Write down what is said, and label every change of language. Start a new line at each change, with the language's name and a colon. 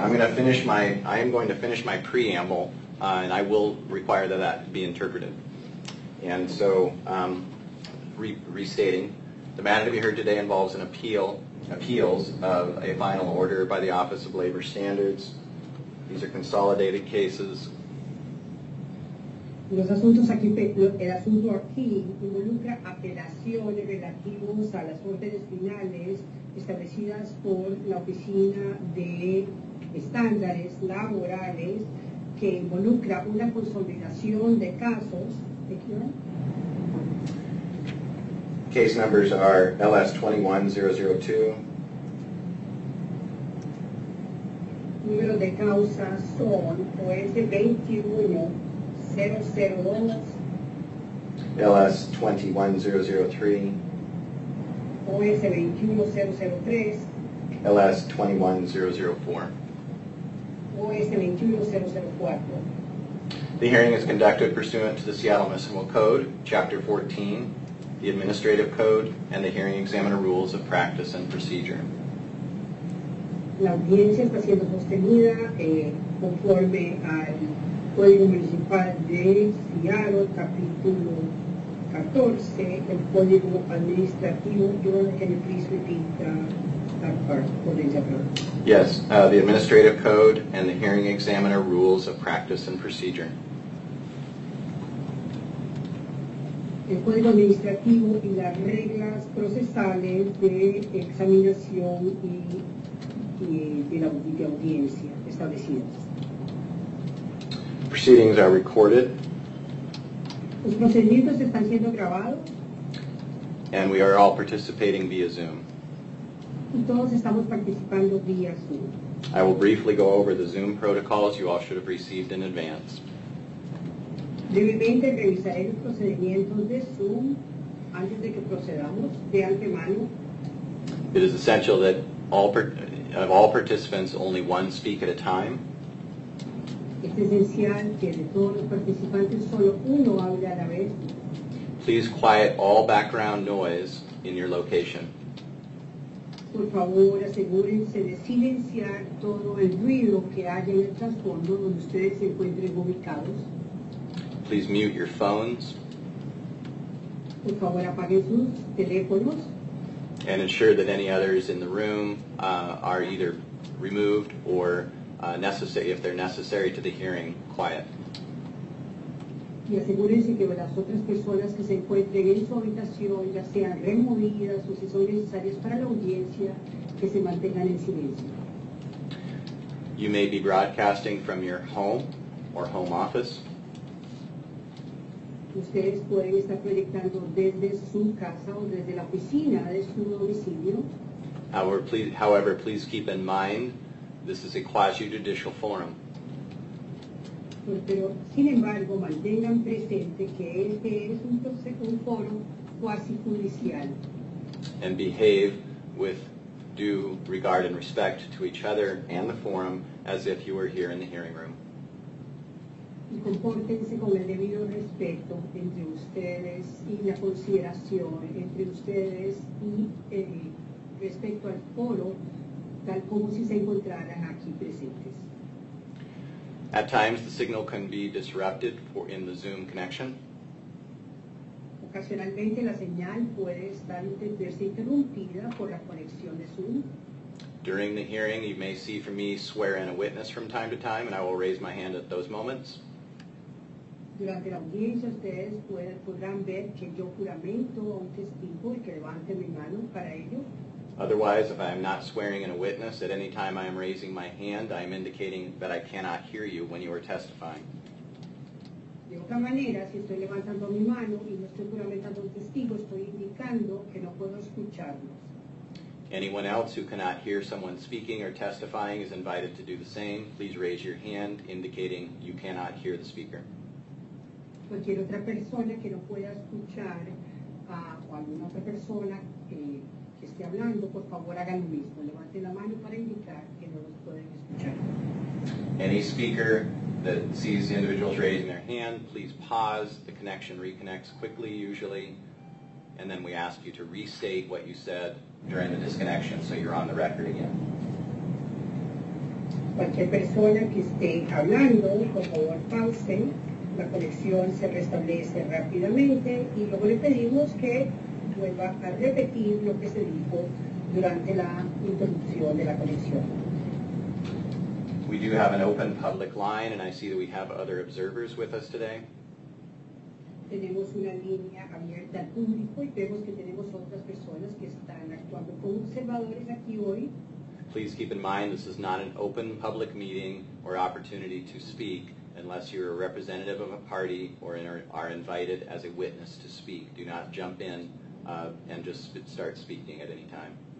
English: I am going to finish my preamble, and I will require that be interpreted. And so, restating, the matter to be heard today involves an appeals of a final order by the Office of Labor Standards. These are consolidated cases.
Spanish: Los asuntos aquí, el asunto aquí involucra apelaciones relativas a las órdenes finales establecidas por la Oficina de Estándares Laborales que involucra una consolidación de casos.
English: Thank you. Case numbers are LS21002.
Spanish: Número de causas son OS21002.
English: LS21003.
Spanish: OS21003.
English: LS21004. The hearing is conducted pursuant to the Seattle Municipal Code, Chapter 14, the Administrative Code, and the Hearing Examiner Rules of Practice and Procedure.
Spanish: La audiencia está siendo sostenida conforme al Código Municipal de Seattle, Capítulo 14, el Código Administrativo.
English: Can you please repeat that part for the examiner? Yes, the Administrative Code and the Hearing Examiner Rules of Practice and Procedure.
Spanish: El Código Administrativo y las reglas procesales de examinación y de audiencia establecidas.
English: Proceedings are recorded.
Spanish: Los procedimientos están siendo grabados.
English: And we are all participating via Zoom.
Spanish: Y todos estamos participando vía Zoom.
English: I will briefly go over the Zoom protocols you all should have received in advance.
Spanish: Brevemente revisaré los procedimientos de Zoom antes de que procedamos de antemano.
English: It is essential that all participants only one speak at a time.
Spanish: Es esencial que de todos los participantes solo uno hable a la vez.
English: Please quiet all background noise in your location.
Spanish: Por favor, asegúrense de silenciar todo el ruido que haya en el trasfondo donde ustedes se encuentren ubicados.
English: Please mute your phones.
Spanish: Por favor, apaguen sus teléfonos.
English: And ensure that any others in the room are either removed or necessary, if they're necessary to the hearing, quiet.
Spanish: Y asegúrense que las otras personas que se encuentren en su habitación, ya sean removidas o si son necesarias para la audiencia, que se mantengan en silencio.
English: You may be broadcasting from your home or home office.
Spanish: Ustedes pueden estar proyectando desde su casa o desde la oficina de su domicilio.
English: However, please keep in mind, this is a quasi-judicial forum.
Spanish: Pero, sin embargo, mantengan presente que este es un foro quasi-judicial.
English: And behave with due regard and respect to each other and the forum as if you were here in the hearing room.
Spanish: Y compórtense con el debido respeto entre ustedes y la consideración entre ustedes y respecto al foro, tal como si se encontraran aquí presentes.
English: At times, the signal can be disrupted in the Zoom connection.
Spanish: Ocasionalmente, la señal puede estar interrumpida por la conexión de Zoom.
English: During the hearing, you may see for me swear in a witness from time to time, and I will raise my hand at those moments.
Spanish: Durante la audiencia, ustedes podrán ver que yo juramento a un testigo y que levante mi mano para ello.
English: Otherwise, if I am not swearing in a witness, at any time I am raising my hand, I am indicating that I cannot hear you when you are testifying.
Spanish: De otra manera, si estoy levantando mi mano y no estoy juramentando un testigo, estoy indicando que no puedo escucharlos.
English: Anyone else who cannot hear someone speaking or testifying is invited to do the same. Please raise your hand, indicating you cannot hear the speaker.
Spanish: Cualquier otra persona que no pueda escuchar o alguna otra persona que esté hablando, por favor, haga lo mismo. Levante la mano para indicar que no los pueden escuchar.
English: Any speaker that sees the individuals raising their hand, please pause. The connection reconnects quickly, usually, and then we ask you to restate what you said during the disconnection so you're on the record again.
Spanish: Cualquier persona que esté hablando, por favor, pause. La conexión se restablece rápidamente y luego le pedimos que vuelva a repetir lo que se dijo durante la interrupción de la conexión.
English: We do have an open public line, and I see that we have other observers with us today.
Spanish: Tenemos una línea abierta al público y vemos que tenemos otras personas que están actuando como observadores aquí hoy.
English: Please keep in mind this is not an open public meeting or opportunity to speak. unless you are a representative of a party or are invited as a witness to speak. Do not jump in and just start speaking at any time.